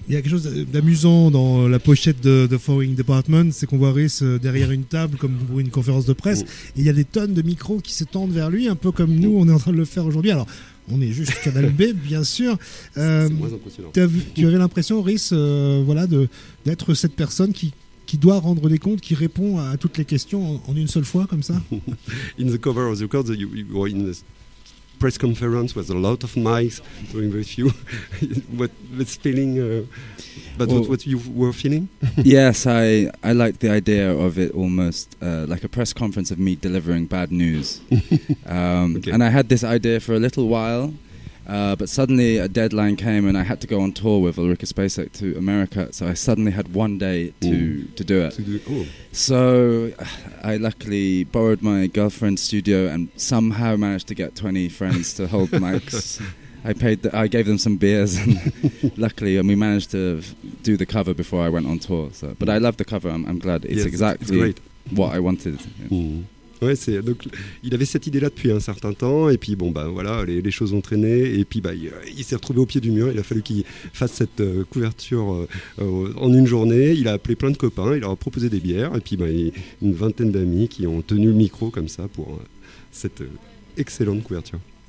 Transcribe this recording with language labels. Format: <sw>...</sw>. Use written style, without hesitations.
<fr>Il y a quelque chose d'amusant dans la pochette de The Foreign Department, c'est qu'on voit Rhys derrière une table comme pour une conférence de presse, et il y a des tonnes de micros qui se tendent vers lui, un peu comme nous, on est en train de le faire aujourd'hui. Alors, on est juste Canal B, bien sûr. C'est moins impressionnant. Tu avais l'impression, Rhys, d'être cette personne qui doit rendre des comptes, qui répond à toutes les questions en une seule fois, comme ça.</fr> <en>In the cover of the record, you were in this press conference was a lot of mics doing with you. what you were feeling? Yes, I liked the idea of it almost like a press conference of me delivering bad news. And I had this idea for a little while, but suddenly a deadline came and I had to go on tour with Ulrika Spacek to America. So I suddenly had one day to do it. So I luckily borrowed my girlfriend's studio and somehow managed to get 20 friends to hold mics. I gave them some beers, and luckily, and we managed to do the cover before I went on tour. So, but I love the cover. I'm glad it's exactly what I wanted.</en> <fr>Ouais, c'est, donc, il avait cette idée-là depuis un certain temps, et puis bon, bah, voilà, les choses ont traîné, et puis bah, il s'est retrouvé au pied du mur, il a fallu qu'il fasse cette couverture en une journée, il a appelé plein de copains, il leur a proposé des bières, et puis bah, une vingtaine d'amis qui ont tenu le micro comme ça pour cette excellente couverture.</fr>